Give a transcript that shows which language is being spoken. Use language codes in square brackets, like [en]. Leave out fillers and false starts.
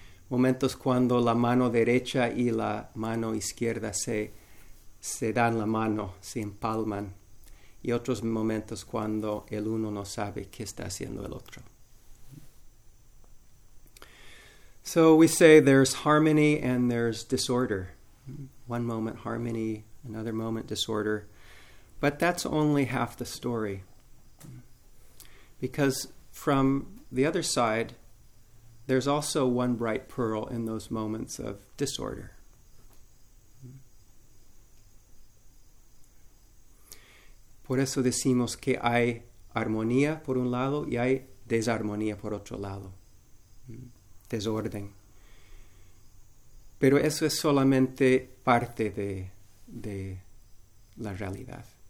[es] Momentos cuando la mano derecha y la mano izquierda se dan la mano, se empalman, y otros momentos cuando el uno no sabe qué está haciendo el otro. [en] So we say there's harmony and there's disorder. One moment harmony, another moment disorder. But that's only half the story. Because from the other side, there's also one bright pearl in those moments of disorder. [es] Por eso decimos que hay armonía por un lado y hay desarmonía por otro lado. Desorden. Pero eso es solamente parte de la realidad.